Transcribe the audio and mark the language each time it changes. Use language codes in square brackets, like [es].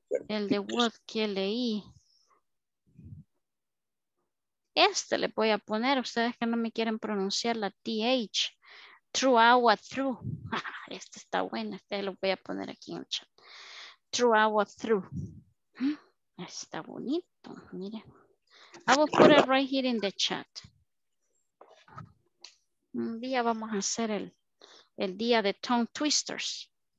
[es] El de what que leí. Este le voy a poner, ustedes que no me quieren pronunciar la TH. True agua, through. Este está bueno, este lo voy a poner aquí en el chat. True agua, through. Está bonito, mire. [en] I will put it right here in the chat. [es] Un día vamos a hacer el día de tongue twisters.